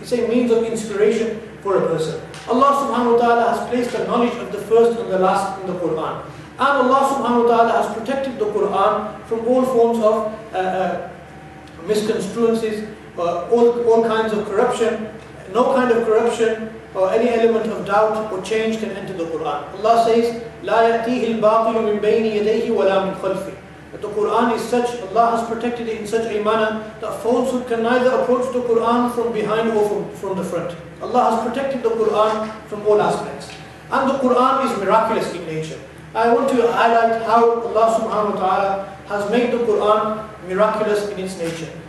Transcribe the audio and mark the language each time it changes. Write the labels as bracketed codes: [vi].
[en] It's a means of inspiration for a person. Allah subhanahu wa ta'ala has placed the knowledge of the first and the last in the Quran. And Allah subhanahu wa ta'ala has protected the Quran from all forms of misconstruences, all kinds of corruption. No kind of corruption or any element of doubt or change can enter the Quran. Allah says, [ar] لا يأتيه الباطل من بين يديه ولا من خلفه. [en] That the Quran is such, Allah has protected it in such a manner that falsehood can neither approach the Quran from behind or from the front. Allah has protected the Quran from all aspects. And the Quran is miraculous in nature. I want to highlight how Allah subhanahu wa ta'ala has made the Quran miraculous in its nature.